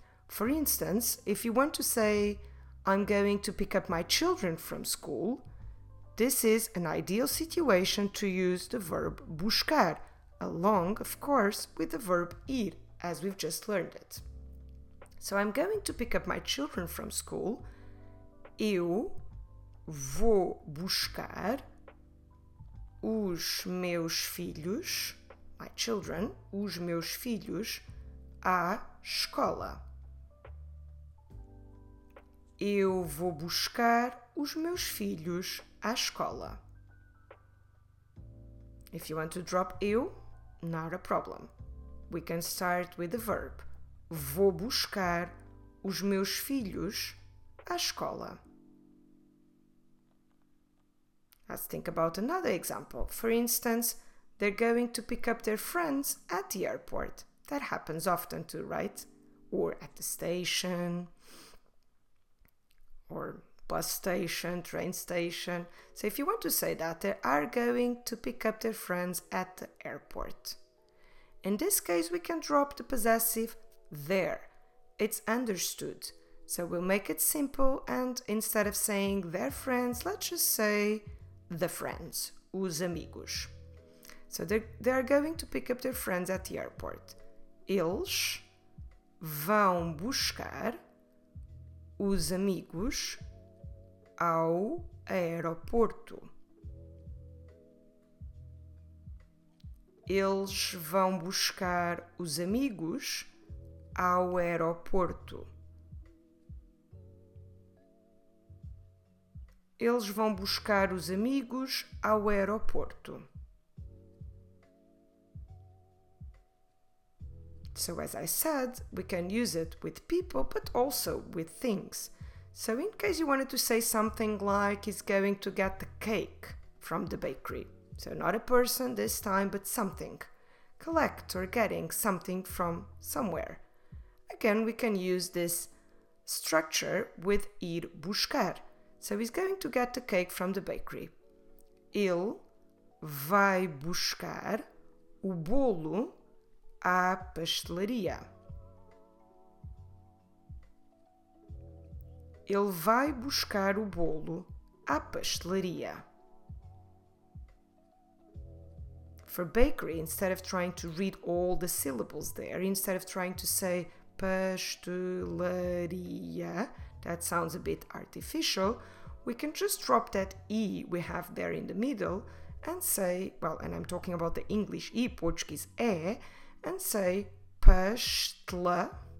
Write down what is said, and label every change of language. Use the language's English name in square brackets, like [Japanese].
[English] For instance, if you want to say, I'm going to pick up my children from school, this is an ideal situation to use the verb buscar, along, of course, with the verb ir, as we've just learned it. So I'm going to pick up my children from school. [Portuguese] Eu vou buscar os meus filhos, [English] my children, [Portuguese] os meus filhos, à escola. Eu vou buscar os meus filhos à escola. [English] If you want to drop eu, not a problem. We can start with the verb. [Portuguese] Vou buscar os meus filhos à escola. [English] Let's think about another example. For instance, they're going to pick up their friends at the airport. That happens often too, right? Or at the station, or bus station, train station. So if you want to say that, they are going to pick up their friends at the airport. In this case, we can drop the possessive there. It's understood. So we'll make it simple, and instead of saying their friends, let's just say the friends, [Portuguese] os amigos. [English] So they are going to pick up their friends at the airport. [Portuguese] Eles vão buscar os amigos ao aeroporto. Eles vão buscar os amigos ao aeroporto. Eles vão buscar os amigos ao aeroporto. [English] So, as I said, we can use it with people, but also with things. So, in case you wanted to say something like, he's going to get the cake from the bakery. So, not a person this time, but something. Collect or getting something from somewhere. Again, we can use this structure with ir buscar. So, he's going to get the cake from the bakery. [Portuguese] Ele vai buscar o bolo à pastelaria. Ele vai buscar o bolo à pastelaria. [English] For bakery, instead of trying to read all the syllables there, instead of trying to say pastelaria, that sounds a bit artificial, we can just drop that E we have there in the middle and say, well, and I'm talking about the English E, Portuguese E, and say pastelaria.